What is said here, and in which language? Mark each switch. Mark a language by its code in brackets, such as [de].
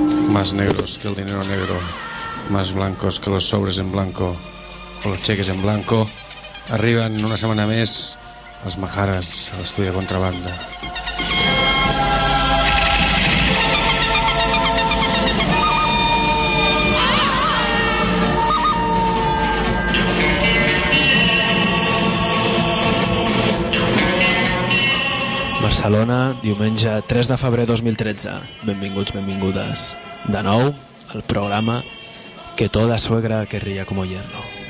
[es] más negros que el dinero negro, más blancos que los sobres en blanco o los cheques en blanco. [ca] Arriben una setmana més els Majares a l'estudi de Contrabanda. Barcelona, diumenge 3 de febrer 2013. Benvinguts, benvingudes. De nou, el programa Que toda suegra querría como yerno.